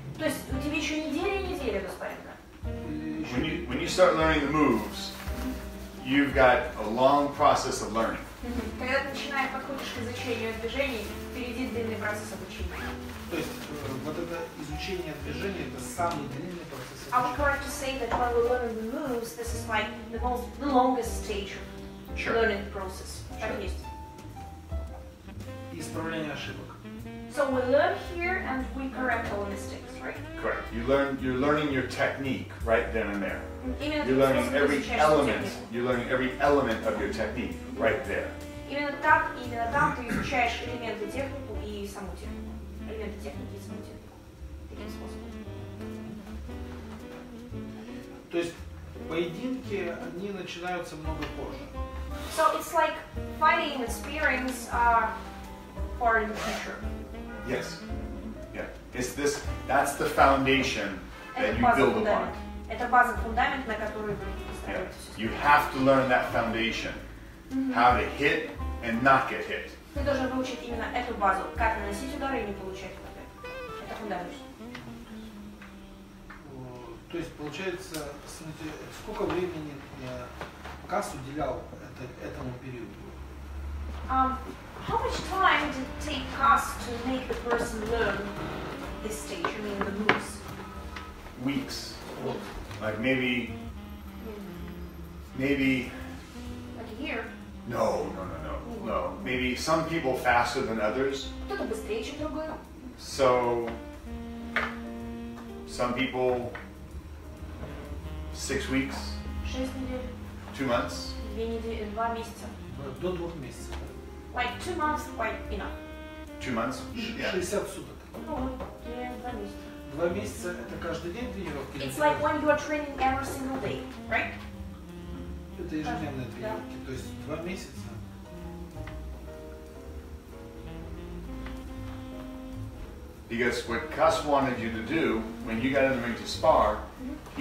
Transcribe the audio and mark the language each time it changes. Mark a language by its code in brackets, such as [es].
[ru] То есть у тебя еще неделя до спарринга. [en] When you start learning the moves, you've got a long process of learning. [ru] Когда ты начинаешь подходишь к изучению движений, впереди длинный процесс обучения. То есть вот это изучение движений это самый длинный процесс обучения. [en] I would like to say that when we're learning the moves, this is like the longest stage of learning process. [ru] Так есть. Исправление ошибок. [en] So we learn here and we correct our mistakes, right? Correct. You're learning your technique right then and there. [ru] Именно [en] you're learning every element. You're learning every element of your technique right there. [ru] Именно так ты изучаешь элементы технику и саму технику. Элементы техники и саму технику. Таким способом. То есть поединки они начинаются много позже. [en] So it's like fighting and sparring are far in the future. Yes. Yeah. It's this. That's the foundation that you build upon. [ru] Это база фундамент, на который вы строите. [en] You have to learn that foundation. Mm-hmm. How to hit and not get hit. [ru] Ты должен выучить именно эту базу, как наносить удары и не получать удары. Это фундамент. То есть получается, смотрите, сколько времени Кас уделял этому периоду? [en] How much time did it take us to make the person learn this stage, you mean the moves? Weeks. Like maybe... Mm-hmm. Maybe... Like a year? No. Mm-hmm. No. Maybe some people faster than others. [ru] Кто-то быстрее, чем другой. [en] So... Some people... 6 weeks? [ru] 6 недель. [en] 2 months? [ru] 2 недели, 2 месяца. До 2 месяца. [en] Like 2 months, quite enough. 2 months? [ru] Yeah. 60 суток. Ну, 2 месяца. 2 месяца, это каждый день тренировки? [en] It's like when you are training every single day, right? [ru] Это ежедневные тренировки, то есть 2 месяца. [en] Because what Cus wanted you to do, when you got in the ring to spar, mm-hmm.